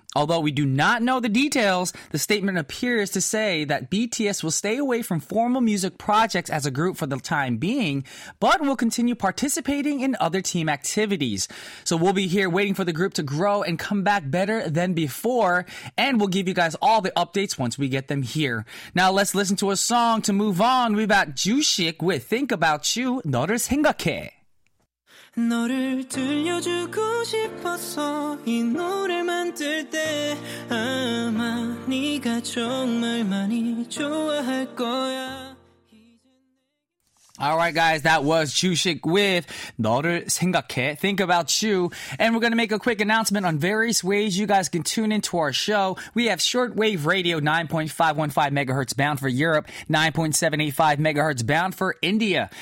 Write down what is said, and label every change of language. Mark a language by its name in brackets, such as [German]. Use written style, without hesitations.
[English] Although we do not know the details, the statement appears to say that BTS will stay away from formal music projects as a group for the time being, but will continue participating in other team activities. So we'll be here waiting for the group to grow and come back better than before, and we'll give you guys all the updates once we get them here. Now let's listen to a song to move on. We've got Juicy with Think About You, 너를 생각해. [Korean] 너를 들려주고 싶어서 이 노래를 만들 때 아마 네가 정말 많이 좋아할 거야. [English] Alright guys, that was Juicy with 너를 생각해, Think About You. And we're going to make a quick announcement on various ways you guys can tune into our show. We have shortwave radio 9.515 MHz bound for Europe, 9.785 MHz bound for India.